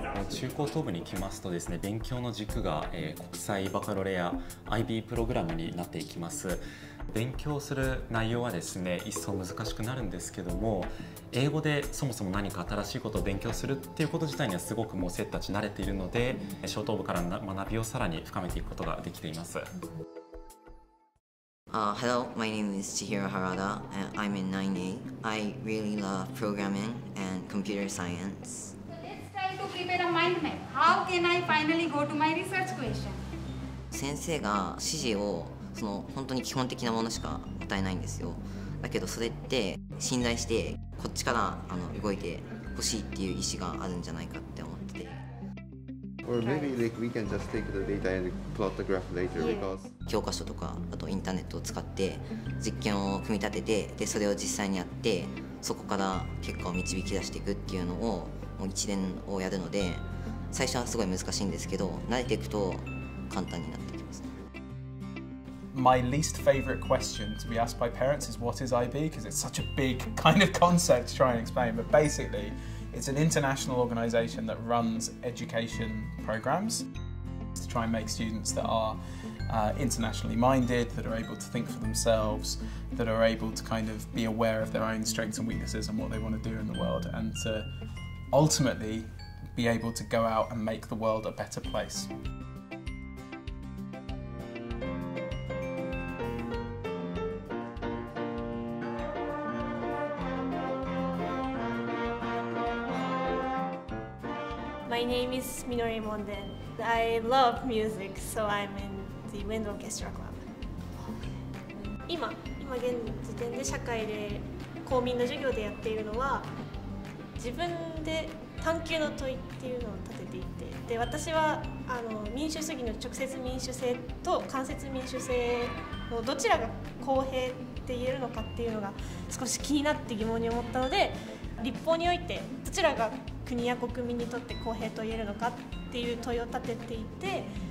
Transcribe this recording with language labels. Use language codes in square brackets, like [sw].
[ja] 中高等部に来ますとですね、勉強の軸が国際バカロレア IB プログラムになっていきます。勉強する内容はですね、一層難しくなるんですけども、英語でそもそも何か新しいことを勉強するっていうこと自体にはすごくもう生徒たち慣れているので、初等部から学びをさらに深めていくことができています。 [en] Hello, my name is Chihiro Harada and I'm in 9A. I really love programming and computer science. So let's try to prepare a mind map. How can I finally go to my research question? [ja] 先生が指示をその本当に基本的なものしか答えないんですよ。だけどそれって信頼してこっちから動いてほしいっていう意思があるんじゃないかって思ってて。 [en] Or maybe like we can just take the data and plot the graph later because [ja] 教科書とかあとインターネットを使って実験を組み立てて、でそれを実際にやってそこから結果を導き出していくっていうのをもう一連をやるので、最初はすごい難しいんですけど慣れていくと簡単になってきます。 [en] My least favorite question to be asked by parents is what is IB, because it's such a big kind of concept to try and explain, but basically. It's an international organization that runs education programs to try and make students that are internationally minded, that are able to think for themselves, that are able to kind of be aware of their own strengths and weaknesses and what they want to do in the world, and to ultimately be able to go out and make the world a better place. My name is Minori Monden. I love music, so I'm in the Wind Orchestra Club. [ja] 今現時点で社会で公民の授業でやっているのは、自分で探究の問いっていうのを立てていて、で私は民主主義の直接民主制と間接民主制のどちらが公平って言えるのかっていうのが少し気になって疑問に思ったので、立法においてどちらが国や国民にとって公平と言えるのかっていう問いを立てていて、